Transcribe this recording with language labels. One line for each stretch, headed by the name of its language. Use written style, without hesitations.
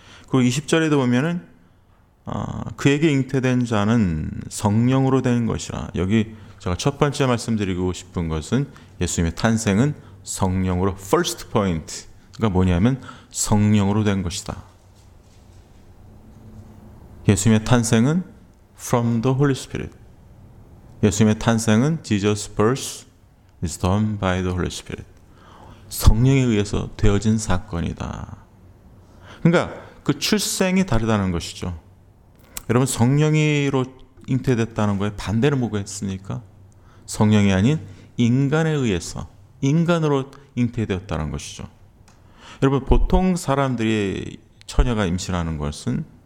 Korean: 그리고 20절에도 보면은 그에게 잉태된 자는 성령으로 된 것이라. 여기 제가 첫 번째 말씀드리고 싶은 것은 예수님의 탄생은 성령으로,
English: first point
Korean: 가 뭐냐면 성령으로 된 것이다. 예수님의 탄생은
English: from the Holy Spirit. 예수님의 탄생은 Jesus birth is done by the Holy Spirit.
Korean: 성령에 의해서 되어진 사건이다. 그러니까 그 출생이 다르다는 것이죠. 여러분, 성령으로 잉태됐다는 거에 반대를 뭐겠습니까? 성령이 아닌 인간에 의해서, 인간으로 잉태되었다는 것이죠. 여러분, 보통 사람들이 처녀가 임신하는 것은